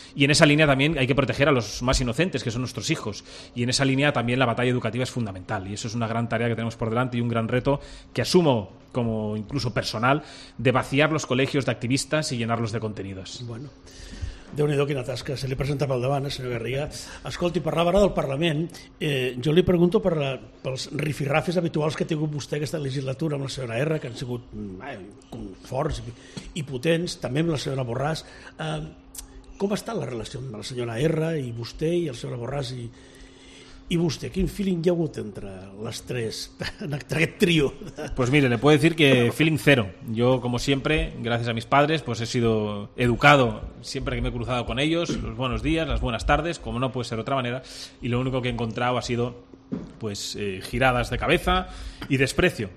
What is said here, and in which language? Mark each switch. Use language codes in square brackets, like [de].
[es] Y en esa línea también hay que proteger a los más inocentes, que son nuestros hijos. Y en esa línea también la batalla educativa es fundamental. Y eso es una gran tarea que tenemos por delante y un gran reto que asumo como incluso personal, de vaciar los colegios de activistas y llenarlos de contenidos. [ca] Bueno, déu-n'hi-do quina tasca. Se li presenta pel davant, senyor Garriga. Escolti, per la vara del Parlament, jo li pregunto pels rifirrafes habituals que ha tingut vostè aquesta legislatura amb la senyora R, que han sigut forts i potents, també amb la senyora Borràs. Com està la relació amb la senyora R i vostè i la senyora Borràs i vostè? Quin feeling hi ha hagut entre les tres, en aquest trio? [es] Pues mire, le puedo decir que feeling cero. Yo, como siempre, gracias a mis padres, pues he sido educado siempre que me he cruzado con ellos, los buenos días, las buenas tardes, como no puede ser de otra manera, y lo único que he encontrado ha sido giradas de cabeza y desprecio.